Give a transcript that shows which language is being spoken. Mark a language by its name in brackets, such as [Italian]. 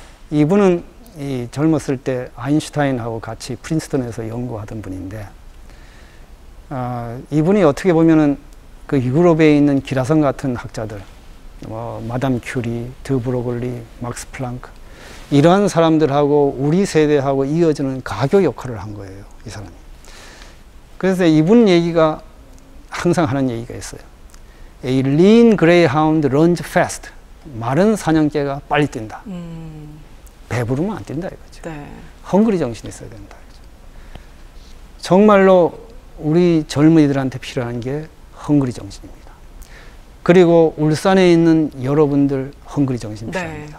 [Korean] 이분은 이 젊었을 때 아인슈타인하고 같이 프린스턴에서 연구하던 분인데 이분이 어떻게 보면은 그 유럽에 있는 기라성 같은 학자들 마담 큐리, 드 브로글리, 막스 플랑크 이러한 사람들하고 우리 세대하고 이어지는 가교 역할을 한 거예요, 이 사람이. 그래서 이분 얘기가 항상 하는 얘기가 있어요. [English] A lean greyhound runs fast. [Korean] 마른 사냥개가 빨리 뛴다. 배부르면 안 뛴다 이거죠. 네. 헝그리 정신이 있어야 된다. 이거죠. 정말로 우리 젊은이들한테 필요한 게 헝그리 정신입니다. 그리고 울산에 있는 여러분들 헝그리 정신 필요합니다.